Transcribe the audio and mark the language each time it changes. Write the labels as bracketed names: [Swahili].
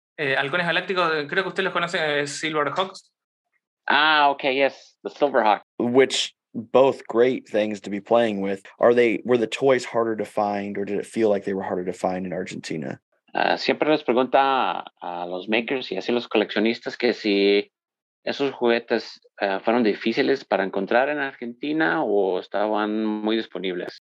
[Spanish] Halcones galácticos, creo que usted los conoce, Silverhawks. [English] Ah, okay, yes, the Silverhawks. Which, both great things to be playing with. Were the toys harder to find, or did it feel like they were harder to find in Argentina? [Spanish] Siempre les pregunta a los makers y así los coleccionistas que si esos juguetes fueron difíciles para encontrar en Argentina o estaban muy disponibles.